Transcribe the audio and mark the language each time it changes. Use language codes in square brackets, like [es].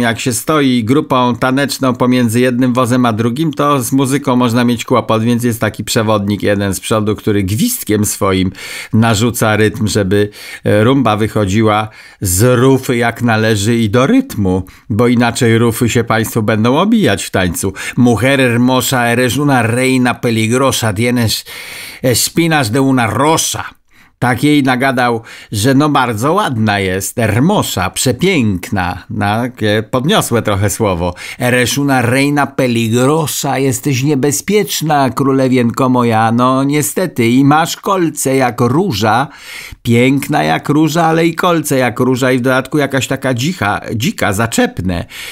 [pl] Jak się stoi grupą taneczną pomiędzy jednym wozem a drugim, to z muzyką można mieć kłopot, więc jest taki przewodnik jeden z przodu, który gwizdkiem swoim narzuca rytm, żeby rumba wychodziła z rufy jak należy i do rytmu, bo inaczej rufy się państwu będą obijać w tańcu. [es] Mujer hermosa eres una reina peligrosa, tienes espinas de una rosa. [pl] Tak jej nagadał, że no bardzo ładna jest, hermosa, przepiękna, takie podniosłe trochę słowo. [es] Eres una reina peligrosa, [pl] jesteś niebezpieczna, królewienko moja, no niestety, i masz kolce jak róża, piękna jak róża, ale i kolce jak róża, i w dodatku jakaś taka dzika, zaczepne.